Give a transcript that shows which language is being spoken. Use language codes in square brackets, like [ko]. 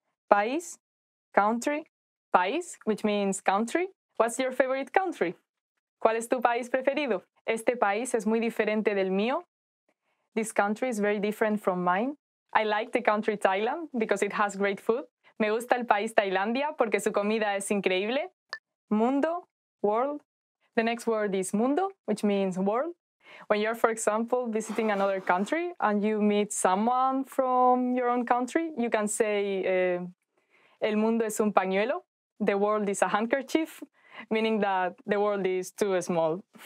[en] País, country. País, which means country. What's your favorite country? [es] ¿Cuál es tu país preferido? Este país es muy diferente del mío. [en] This country is very different from mine. I like the country Thailand because it has great food. [es] Me gusta el país Tailandia porque su comida es increíble. [en] Mundo, world. The next word is mundo, which means world. When you're, for example, visiting another country and you meet someone from your own country, you can say, [es] el mundo es un pañuelo, [en] the world is a handkerchief, meaning that the world is too small.